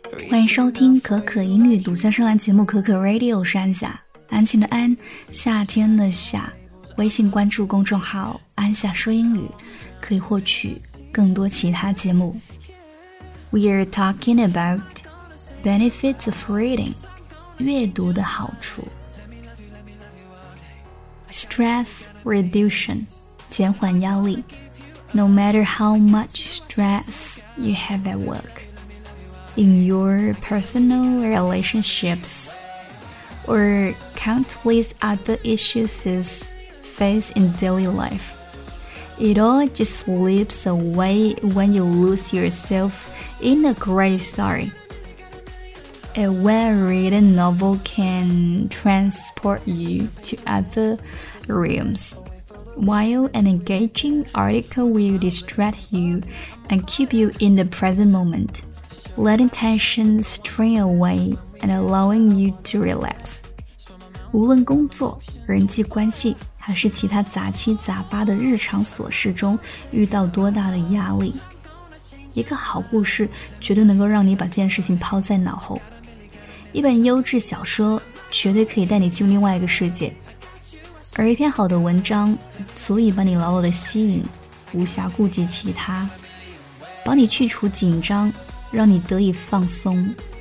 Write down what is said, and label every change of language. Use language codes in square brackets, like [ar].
[zh] 欢迎收听可可英语独家专栏节目可可 Radio， 是安夏，安静的安，夏天的夏。微信关注公众号安夏说英语，可以获取更多其他节目。 [en] We are talking about benefits of reading， [zh] 阅读的好处。 [en] Stress reduction， [zh] 减缓压力。 [en] No matter how much stress you have at workIn your personal relationships or countless other issues you face in daily life, it all just slips away when you lose yourself in a great story. A well-written novel can transport you to other realms, while an engaging article will distract you and keep you in the present momentLetting tension strain away and allowing you to relax. [zh] 无论工作、人际关系还是其他杂七杂八的日常琐事中遇到多大的压力，一个好故事绝对能够让你把这件事情抛在脑后。一本优质小说绝对可以带你进入另外一个世界，而一篇好的文章足以把你牢牢地吸引，无暇顾及其他，帮你去除紧张，让你得以放松。